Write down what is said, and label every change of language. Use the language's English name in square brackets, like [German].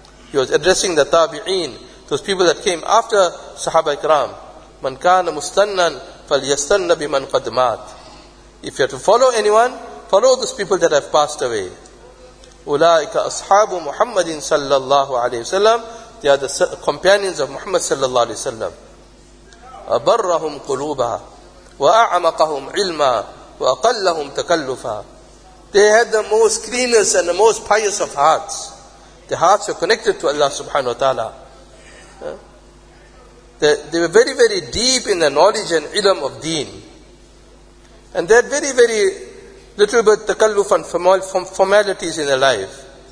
[English] He was addressing the tabi'een, those people that came after sahaba ikram. [Arabic] Man kana mustannan falyastanna biman qad mat. [English] If you have to follow anyone, follow those people that have passed away. [Arabic] Ulaika ashabu Muhammadin sallallahu alayhi wa sallam. [English] They are the companions of Muhammad sallallahu alayhi wa sallam. [Arabic] Abarrahum qulubaha وَأَعْمَقَهُمْ عِلْمًا وَأَقَلَّهُمْ تَكَلُّفًا. [English] They had the most cleanest and the most pious of hearts. Their hearts were connected to Allah subhanahu wa ta'ala. They were very, very deep in the knowledge and ilm of deen. And they had very, very little bit takalluf and formalities in their life.